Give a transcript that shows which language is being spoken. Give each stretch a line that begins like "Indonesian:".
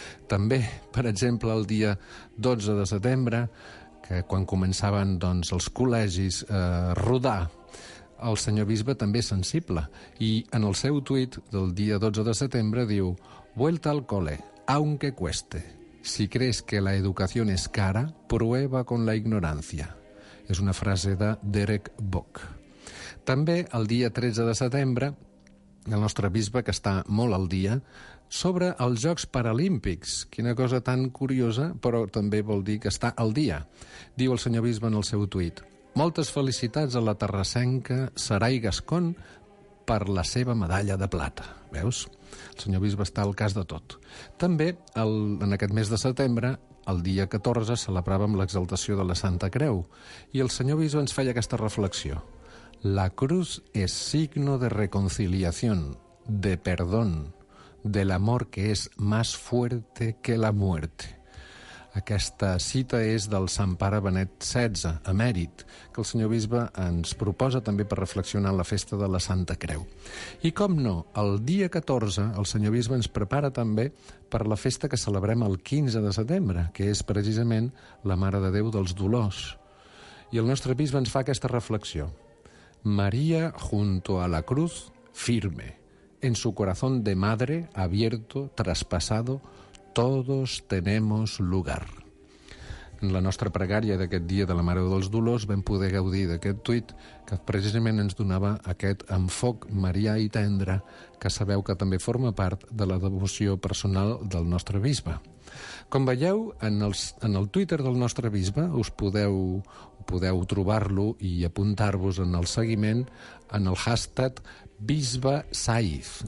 Catalan: També, per exemple, el dia 12 de setembre, que quan començaven, doncs, els col·legis a rodar, el senyor bisbe també és sensible i en el seu tuit del dia 12 de setembre diu
Spanish: «Vuelta al cole, aunque cueste, Si crees que la educación es cara, prueba con la ignorancia.
Catalan: És una frase de Derek Bock. També el dia 13 de setembre, el nostre bisbe, que està molt al dia, sobre els Jocs Paralímpics. Quina cosa tan curiosa, però també vol dir que està al dia. Diu el senyor bisbe en el seu tuit: moltes felicitats a la terrassenca Sarai Gascón per la seva medalla de plata. Veus? El senyor bisbe està al cas de tot. També, en aquest mes de setembre, el dia 14, celebràvem l'exaltació de la Santa Creu, i el senyor bisbe ens feia aquesta reflexió:
Spanish: la cruz es signo de reconciliación, de perdón, del amor que es más fuerte que la muerte.
Catalan: Aquesta cita és del Sant Pare Benet XVI, emèrit, que el senyor bisbe ens proposa també per reflexionar en la festa de la Santa Creu. I com no, el dia 14 el senyor bisbe ens prepara també per la festa que celebrem el 15 de setembre, que és precisament la Mare de Déu dels Dolors. I el nostre bisbe ens fa aquesta reflexió:
Spanish: María junto a la cruz, firme, en su corazón de madre, abierto, traspasado, todos tenemos lugar.
Catalan: En la nostra pregària d'aquest dia de la Mare dels Dolors vam poder gaudir d'aquest tuit que precisament ens donava aquest enfoc marià i tendre que sabeu que també forma part de la devoció personal del nostre bisbe. Com veieu, en el Twitter del nostre bisbe us podeu trobar-lo i apuntar-vos en el seguiment en el hashtag Bisbe Saiz.